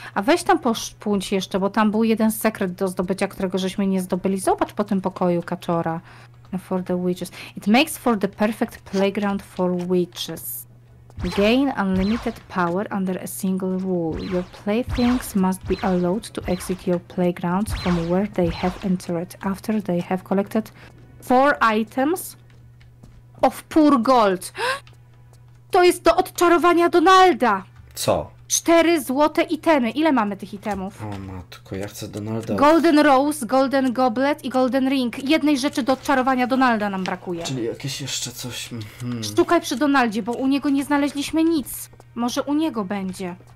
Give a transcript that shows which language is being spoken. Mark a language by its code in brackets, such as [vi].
[pl] A weź tam poszpuń jeszcze, bo tam był jeden sekret do zdobycia, którego żeśmy nie zdobyli. Zobacz po tym pokoju kaczora. [en] For the witches. It makes for the perfect playground for witches. Gain unlimited power under a single rule. Your playthings must be allowed to exit your playground from where they have entered after they have collected 4 items of pure gold. [pl] To jest do odczarowania Donalda! Co? 4 złote itemy. Ile mamy tych itemów? O matko, ja chcę Donalda. Golden Rose, Golden Goblet i Golden Ring. Jednej rzeczy do odczarowania Donalda nam brakuje. Czyli jakieś jeszcze coś... Szukaj przy Donaldzie, bo u niego nie znaleźliśmy nic. Może u niego będzie.